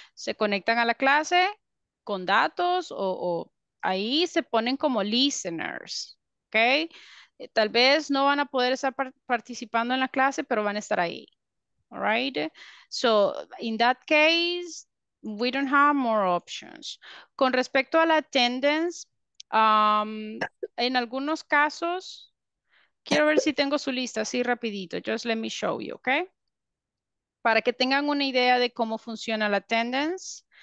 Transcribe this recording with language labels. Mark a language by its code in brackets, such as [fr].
[es] Se conectan a la clase con datos o ahí se ponen como listeners, okay? Tal vez no van a poder estar participando en la clase, pero van a estar ahí, all right? [en] So, in that case, we don't have more options. [es] Con respecto a la attendance, en algunos casos, quiero ver si tengo su lista así rapidito. [en] Just let me show you, okay? [es] Para que tengan una idea de cómo funciona la attendance.